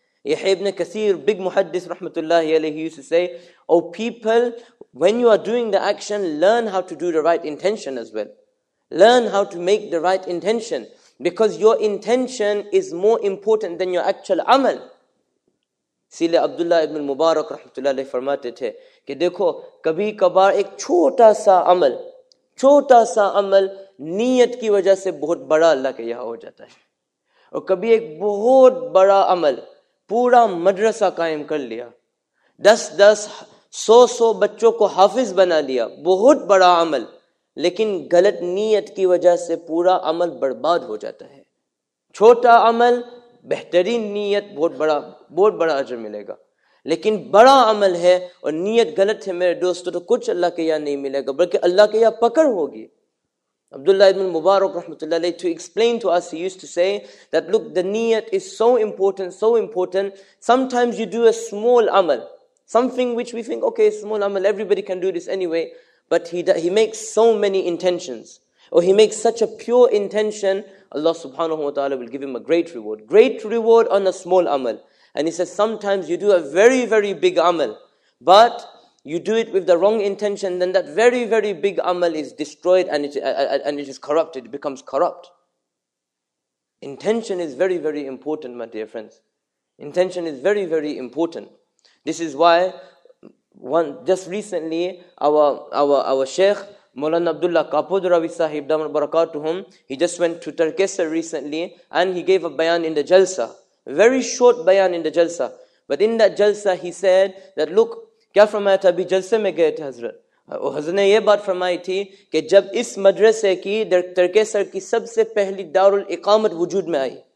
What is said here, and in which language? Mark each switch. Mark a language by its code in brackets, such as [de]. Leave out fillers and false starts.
[en] Yahya ibn Kathir, big muhaddith rahmatullahi alayhi, used to say, oh people, when you are doing the action, learn how to do the right intention as well. Learn how to make the right intention. Because your intention is more important than your actual amal. [ur] اسی لیے عبداللہ ابن المبارک رحمۃ اللہ علیہ فرماتے تھے کہ دیکھو کبھی کبھار ایک چھوٹا سا عمل, چھوٹا سا عمل نیت کی وجہ سے بہت بڑا اللہ کے یہاں ہو جاتا ہے, اور کبھی ایک بہت بڑا عمل پورا مدرسہ قائم کر لیا, دس دس سو سو بچوں کو حافظ بنا لیا, بہت بڑا عمل, لیکن غلط نیت کی وجہ سے پورا عمل برباد ہو جاتا ہے. چھوٹا عمل, بہترین نیت, بہت بڑا اجر ملے گا, لیکن بڑا عمل ہے اور نیت غلط ہے میرے دوستو, تو کچھ اللہ کے یہاں نہیں ملے گا, بلکہ اللہ کے یہاں پکڑ ہوگی. [en] عبداللہ ابن مبارک رحمۃ اللہ علیہ to explain to us, he used to say that look, the niyat is so important, sometimes you do a small amal, something which we think okay, small amal, everybody can do this anyway, but he makes so many intentions, or he makes such a pure intention, Allah subhanahu wa ta'ala will give him a great reward on a small amal. And he says sometimes you do a very very big amal, but you do it with the wrong intention, then that very very big amal is destroyed and it becomes corrupt. Intention is very very important, my dear friends. Intention is very very important. This is why one just recently our Sheikh Maulana Abdullah Kapodravi Sahib Damar Barakatuhum, he just went to Tarkesar recently and he gave a bayan in the jalsa, very short bayan in the jalsa, but in that jalsa he said that look, [ur] کیا فرمایا تھا ابھی جلسے میں گئے تھے حضرت, اور حضرت نے یہ بات فرمائی تھی کہ جب اس مدرسے کی ترکیسر کی سب سے پہلی دار الاقامت وجود میں آئی,